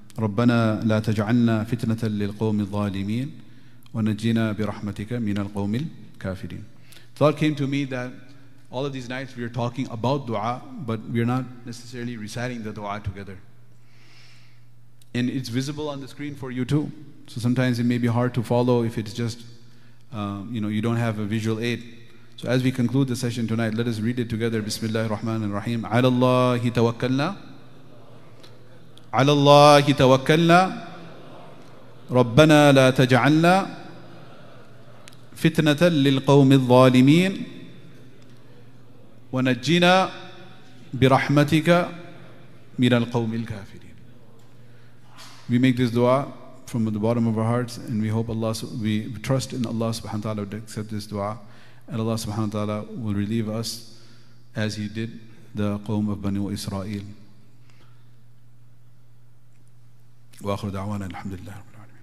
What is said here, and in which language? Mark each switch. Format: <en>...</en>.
<ar>ربنا لا تجعلنا فتنة للقوم الظالمين ونجينا برحمتك من القوم الكافرين.</ar> <en>Thought came to me that all of these nights we are talking about dua, but we are not necessarily reciting the dua together. And it's visible on the screen for you too. So sometimes it may be hard to follow if it's just, you know, you don't have a visual aid. So as we conclude the session tonight, let us read it together.</en> <ar>Bismillah ar-Rahman ar-Rahim. على الله توكلنا. على الله توكلنا ربنا لا تجعلنا فتنة للقوم الظالمين ونجينا برحمتك من القوم الكافرين.</ar> <en>We make this dua from the bottom of our hearts, and we hope Allah, we trust in Allah subhanahu wa ta'ala would accept this dua, and Allah subhanahu wa ta'ala will relieve us as He did the qawm of Banu Israel.</en> <ar>وآخر دعوانا الحمد لله رب العالمين.</ar>